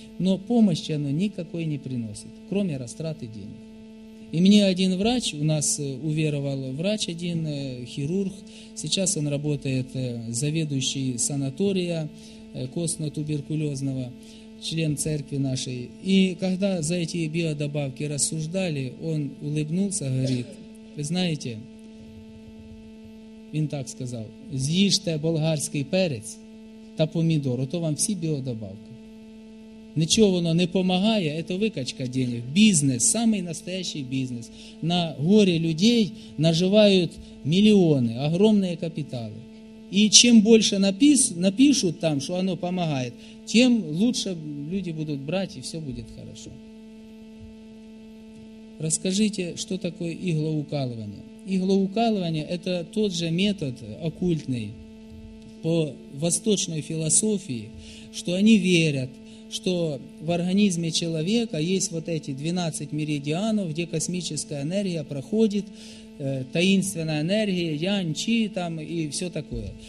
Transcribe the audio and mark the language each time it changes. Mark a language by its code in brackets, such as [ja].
[ru] Но помощи оно никакой не приносит, кроме растраты денег. И мне один врач, у нас уверовал врач один, хирург, сейчас он работает заведующий санатория костно-туберкулезного, член церкви нашей. И когда за эти биодобавки рассуждали, он улыбнулся, говорит, вы знаете, [uk] він так сказав, з'їжте болгарський перець та помідор, ото вам всі біодобавки. Нічого воно не допомагає, це викачка денег. Бізнес, самий настоящий бізнес. На горі людей наживають мільйони, огромні капітали. І чим більше напишуть там, що воно допомагає, тим краще люди будуть брати і все буде добре. Розкажіть, що таке іглоукалування. [ru] Иглоукалывание – это тот же метод оккультный по восточной философии, что они верят, что в организме человека есть вот эти 12 меридианов, где космическая энергия проходит таинственная энергия, ян-чи там и все такое.